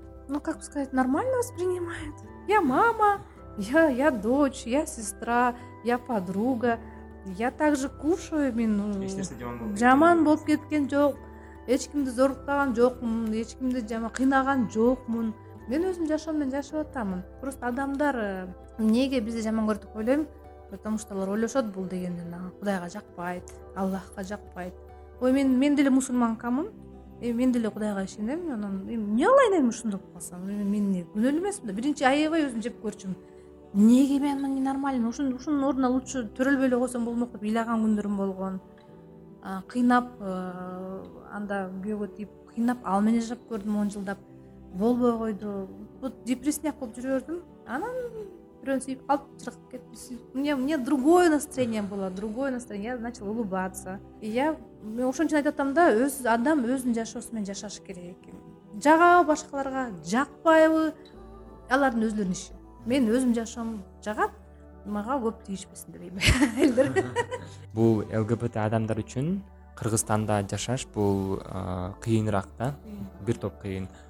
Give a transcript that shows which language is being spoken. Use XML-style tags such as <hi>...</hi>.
<ru>Ну как бы сказать, нормально воспринимают. Я мама, я дочь, я сестра, я подруга. Я также кушаю,</ru> <ky>мен жаман болуп кеткен жок. Эч кимди зорлуктаган жокмун, эч кимди кыйнаган жокмун. Мен өзүм жашоом менен жашап атамын. Просто адамдар эмнеге бизди жаман көрөт деп ойлойм?</ky> <ru>Потому что</ru> <ky>алар ойлошот бул деген эмне? Кудайга жакпайт, Аллахка жакпайт. Ой, мен деле мусулманкамын. Мен деле Кудайга ишенем. Анан эмне кылайын эми ушундай болуп калсам? Мен күнөөлүү эмесмин да. Биринчи аябай өзүм жеп көрчүмүн. Эмнеге мен эмне нормальный? Ушунун ордуна лучше төрөлбөй эле койсом болмок деп ыйлаган күндөрүм болгон. Кыйнап анда күйөөгө тийип, кыйнап ал менен жашап көрдүм 10 жылдап. Болбой койду. Вот депрессияк болуп жүрөрдүм. Анан бирөөнү сүйүп калып чыркап кетпиз.</ky> <ru>Мне другое настроение было, другое настроение. Я начал улыбаться.</ru> <ky>И я ошон үчүн айтып атам да, өз адам өзүн жашоосу менен жашаш керек экен. Жагабы башкаларга, жакпайбы алардын өзүлөрүнүн иши. Мен өзүм жашоом жагат, мага көп тийишпесин дебейм. Элдер. Бул ЛГБТ адамдар үчүн Кыргызстанда жашаш бул кыйыныраак да. Бир топ кыйын.</ky>